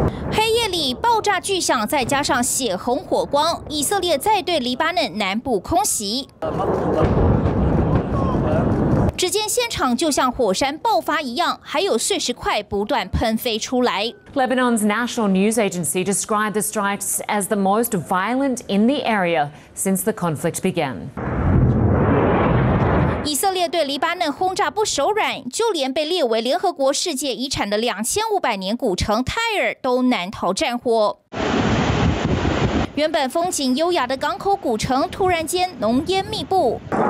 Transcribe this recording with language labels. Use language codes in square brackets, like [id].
[zh] 黑夜里爆炸巨响，再加上血红火光，以色列再对黎巴嫩南部空袭。只见现场就像火山爆发一样，还有碎石块不断喷飞出来。 [en] Lebanon's national news agency described the strikes as the most violent in the area since the conflict began. [zh] 以色列对黎巴嫩轰炸不手软，就连被列为联合国世界遗产的2500年古城泰尔都难逃战火。原本风景优雅的港口古城，突然间浓烟密布。